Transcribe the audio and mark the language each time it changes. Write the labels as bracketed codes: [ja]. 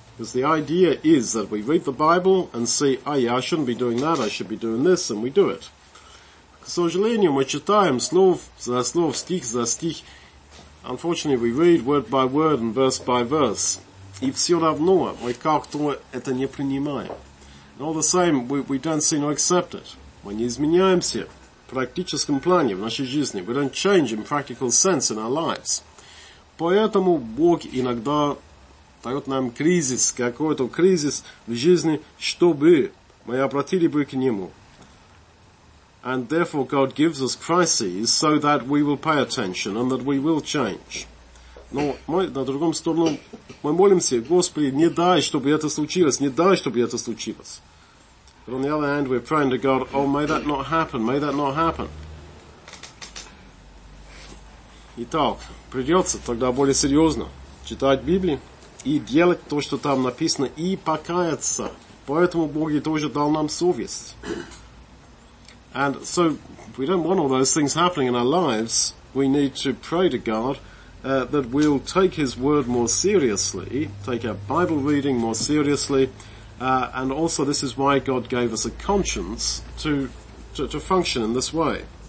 [en] Because the idea is that we read the Bible and see, oh yeah, I shouldn't be doing that, I should be doing this, and we do it. [ru] К сожалению, мы читаем слово за слово, стих за стих. [en] Unfortunately, we read word by word and verse by verse. [ru] И все равно мы как-то это не принимаем. [en] And all the same, we don't seem to accept it. [ru] Мы не изменяемся в практическом плане в нашей жизни. [en] We don't change in practical sense in our lives. [ru] Поэтому Бог иногда дает нам кризис, какой-то кризис в жизни, чтобы мы обратили бы к Нему. [en] And therefore God gives us crises so that we will pay attention and that we will change. [ru] Но мы, на другом сторону, мы молимся, Господи, не дай, чтобы это случилось, не дай, чтобы это случилось. [en] But on the other hand, we're praying to God, oh, may that not happen, may that not happen. [ru] Итак, придется тогда более серьезно читать Библию и делать то, что там написано, и покаяться. Поэтому Бог и тоже дал нам совесть. [en] And so, we don't want all those things happening in our lives, we need to pray to God, that we'll take His word more seriously, take our Bible reading more seriously, and also this is why God gave us a conscience to function in this way.